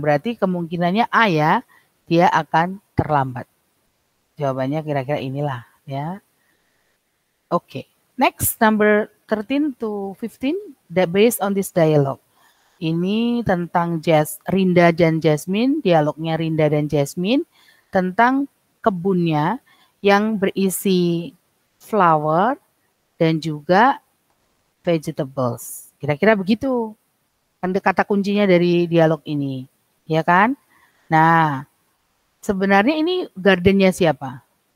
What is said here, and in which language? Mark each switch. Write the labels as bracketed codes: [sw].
[id] Berarti kemungkinannya A ya, dia akan terlambat. Jawabannya kira-kira inilah ya. Oke, okay. [en] Next number 13 to 15 that based on this dialogue. [id] Ini tentang Rinda dan Jasmine, dialognya Rinda dan Jasmine tentang kebunnya yang berisi flower dan juga vegetables. Kira-kira begitu. Kan kata kuncinya dari dialog ini, ya kan? Nah, sebenarnya ini gardennya siapa?